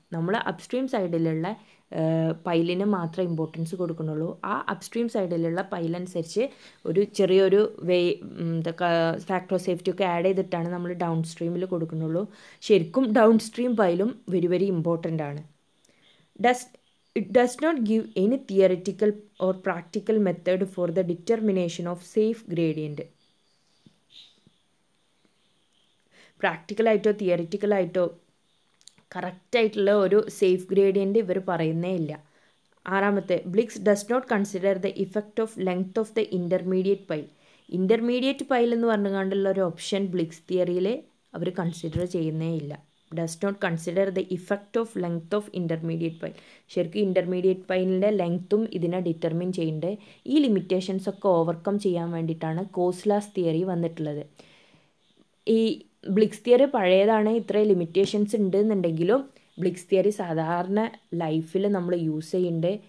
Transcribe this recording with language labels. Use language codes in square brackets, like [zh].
[ml] നമ്മൾ അപ്സ്ട്രീം സൈഡിലുള്ള പൈലിന് മാത്രം ഇമ്പോർട്ടൻസ് കൊടുക്കുന്നുള്ളൂ. ആ അപ്സ്ട്രീം സൈഡിലുള്ള പൈലനുസരിച്ച് ഒരു ചെറിയൊരു വേ എന്താ ഫാക്ടർ ഓഫ് സേഫ്റ്റി ഒക്കെ ആഡ് ചെയ്തിട്ടാണ് നമ്മൾ ഡൗൺ സ്ട്രീമിൽ കൊടുക്കുന്നുള്ളൂ. ശരിക്കും down stream പൈലും very very important ആണ്. [en] It does not give any theoretical or practical method for the determination of safe gradient. [ml] Practical ആയിട്ടോ തിയറിറ്റിക്കൽ ആയിട്ടോ കറക്റ്റ് ആയിട്ടുള്ള ഒരു സേഫ് ഗ്രേഡിയൻ്റ് ഇവർ പറയുന്നേ ഇല്ല. [en] ആറാമത്തെ, Bligh's does not consider the effect of length of the intermediate pile. [ml] Intermediate pile എന്ന് പറഞ്ഞുകൊണ്ടുള്ള ഒരു ഓപ്ഷൻ ബ്ലിക്സ് തിയറിയിൽ അവർ കൺസിഡർ ചെയ്യുന്നേ ഇല്ല. [en] Does not consider the effect of length of intermediate pile. [ml] ശരിക്കും ഇൻ്റർമീഡിയറ്റ് പൈലിൻ്റെ ലെങ്ത്തും ഇതിനെ ഡിറ്റർമിൻ ചെയ്യേണ്ടത്. ഈ ലിമിറ്റേഷൻസൊക്കെ ഓവർകം ചെയ്യാൻ വേണ്ടിയിട്ടാണ് കോസ്ലാസ് തിയറി വന്നിട്ടുള്ളത്. ഈ ബ്ലിക്സ് തിയറി പഴയതാണ്, ഇത്രയും ലിമിറ്റേഷൻസ് ഉണ്ടെന്നുണ്ടെങ്കിലും ബ്ലിക്സ് തിയറി സാധാരണ ലൈഫിൽ നമ്മൾ യൂസ് ചെയ്യേണ്ടത്.